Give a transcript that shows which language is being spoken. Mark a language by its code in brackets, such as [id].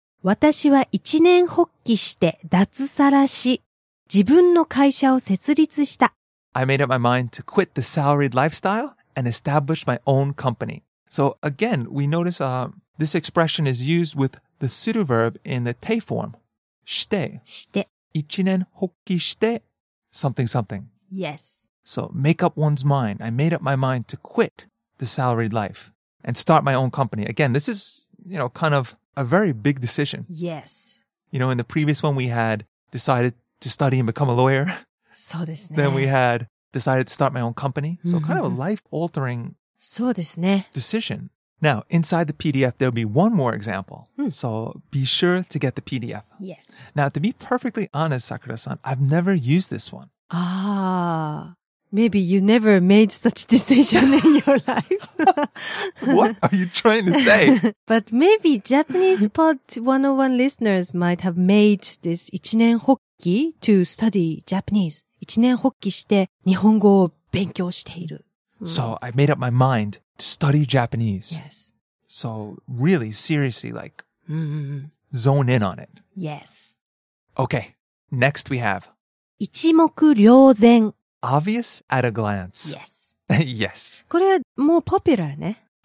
[ja] 私は一年発起して脱サラし、自分の会社を設立した。 [en] I made up my mind to quit the salaried lifestyle. And established my own company. So again, we notice、this expression is used with the pseudo verb in the te form. [ja] して。して。一年発起して [en] something something. Yes. So make up one's mind. I made up my mind to quit the salaried life and start my own company. Again, this is, you know, kind of a very big decision. Yes. You know, in the previous one, we had decided to study and become a lawyer. [ja] So ですね。 [en] Then we had decided to start my own company. So mm-hmm. kind of a life-altering [ja] そうですね。 [en] decision. Now, inside the PDF, there'll be one more example. Mm. So be sure to get the PDF. Yes. Now, to be perfectly honest, Sakura-san, I've never used this one. Ah, maybe you never made such decision in your life. What are you trying to say? But maybe Japanese Pod 101 listeners might have made this 一年発起 to study Japanese. [ja] 一年発起して日本語を勉強している。 [en] So I made up my mind to study Japanese. Yes. So really seriously, like, zone in on it. Yes. Okay, next we have [ja] 一目瞭然 [en] Obvious at a glance. Yes. Yes. [ja] これはもう popular ね。